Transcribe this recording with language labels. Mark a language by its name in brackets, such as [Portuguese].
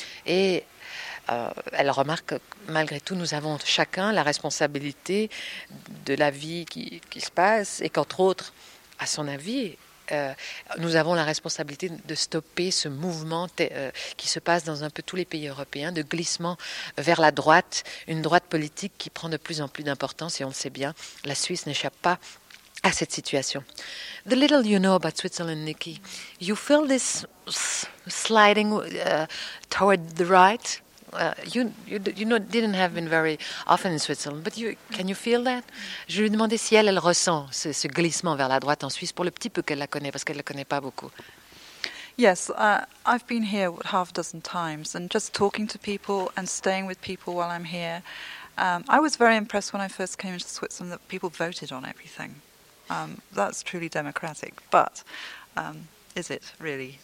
[French] Et elle remarque que, malgré tout, nous avons chacun la responsabilité de la vie qui se passe, et qu'entre autres, à son avis, nous avons la responsabilité de stopper ce mouvement qui se passe dans un peu tous les pays européens, de glissement vers la droite, une droite politique qui prend de plus en plus d'importance, et on le sait bien, la Suisse n'échappe pas à cette situation. [English] The little you know about Switzerland, Nikki, you feel this sliding toward the right. You didn't have been very often in Switzerland, but can you feel that? [French] Je lui ai demandé si elle ressent ce glissement vers la droite en Suisse pour le petit peu qu'elle la connaît, parce qu'elle ne la connaît pas beaucoup. [English] Yes, I've been here half a dozen times, and just talking to people and staying with people while I'm here. I was very impressed when I first came into Switzerland that people voted on everything. That's truly democratic, but is it really?